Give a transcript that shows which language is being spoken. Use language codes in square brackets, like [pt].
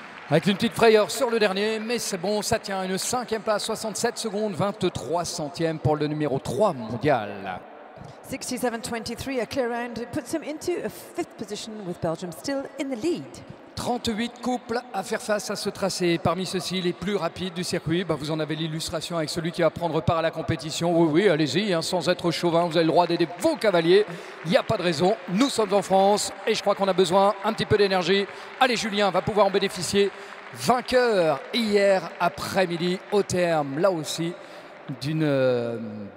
[fr] Avec une petite frayeur sur le dernier, mais c'est bon, ça tient une 5e place, 67 secondes, 23 centièmes pour le numéro 3 mondial. [en] 67-23, a clear round, puts him into a fifth position with Belgium still in the lead. [fr] 38 couples à faire face à ce tracé. Parmi ceux-ci, les plus rapides du circuit, bah, vous en avez l'illustration avec celui qui va prendre part à la compétition. Oui, oui, allez-y, hein, sans être chauvin, vous avez le droit d'aider vos cavaliers. Il n'y a pas de raison, nous sommes en France et je crois qu'on a besoin un petit peu d'énergie. Allez, Julien va pouvoir en bénéficier. Vainqueur hier après-midi au terme, là aussi, d'une